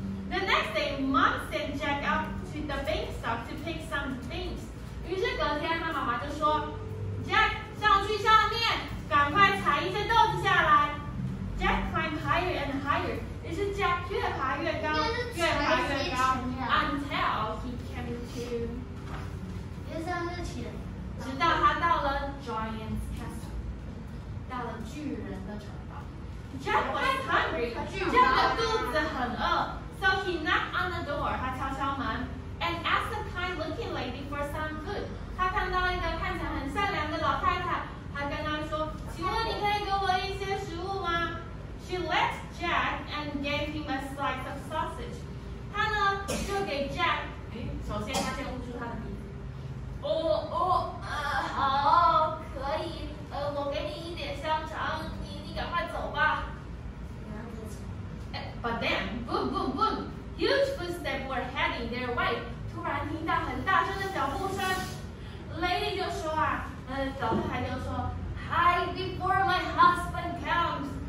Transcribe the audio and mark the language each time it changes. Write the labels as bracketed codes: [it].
[en] The next day， mom sent Jack up to the beanstalk to pick some beans。 [zh] 于是隔天，他妈妈就说 ：“Jack， 上去上面，赶快采一些豆子下来。” [en] Jack climbed higher and higher。 [zh] 于是 Jack 越爬越高，越爬越高 [en] ，until he came to， [zh] 越上越起，直到他到了 Giant's Castle， 到了巨人的城堡。 [en] Jack was hungry， [zh] Jack 的肚子很饿 [en] ，so he knocked on the door， [zh] 他敲敲门。 [en] And asked a kind looking lady for some food. [zh] 他看到一个看起来很善良的老太太，他跟她说：“请问你可以给我一些食物吗？” [en] She let Jack and gave him a slice of sausage. [zh] 他呢就给 Jack， 首先他先捂住他的鼻子。可以，我给你一点香肠，你赶快走吧。 [en] But then, boom, boom, boom. Huge footsteps were heading their way. [zh] 突然听到很大声的脚步声。Lady 就说啊，老太太就说 ， [en] Hide before my husband comes.